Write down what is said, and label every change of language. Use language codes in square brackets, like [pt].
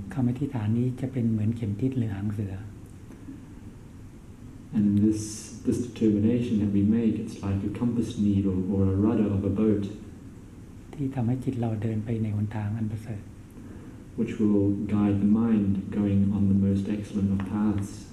[th] คำอธิษฐานนี้จะเป็นเหมือนเข็มทิศหรือหางเสือ [en] And this determination that we make, it's like a compass needle or a rudder of a boat. [th] ที่ทำให้จิตเราเดินไปในหนทางอันประเสริฐ [en] Which will guide the mind going on the most excellent of paths.